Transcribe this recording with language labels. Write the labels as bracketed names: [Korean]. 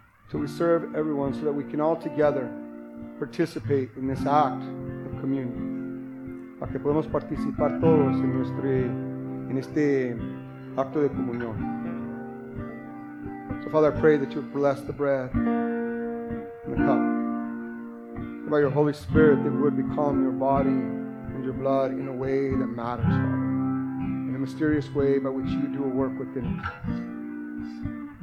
[English] So we serve everyone so that we can all together participate in this act of communion. [Spanish] Para que podamos participar todos en este acto de comunión. [English] So Father, I pray that you bless the bread and the cup. By your Holy Spirit, that would become your body and your blood in a way that matters, Father. In a mysterious way by which you do a work within us.